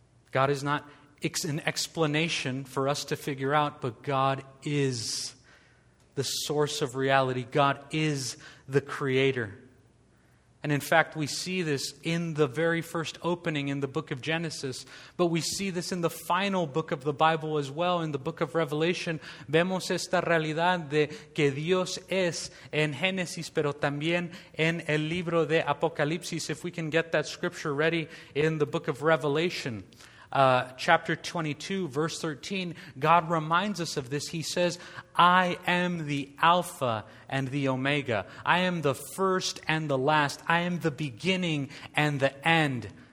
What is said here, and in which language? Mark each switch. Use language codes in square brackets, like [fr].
[en] God is not an explanation for us to figure out, but God is the source of reality. God is the creator. And in fact, we see this in the very first opening in the book of Genesis, but we see this in the final book of the Bible as well, in the book of Revelation. [es] Vemos esta realidad de que Dios es en Génesis, pero también en el libro de Apocalipsis. [en] If we can get that scripture ready in the book of Revelation, chapter 22, verse 13, God reminds us of this. He says, "I am the Alpha and the Omega. I am the first and the last. I am the beginning and the end.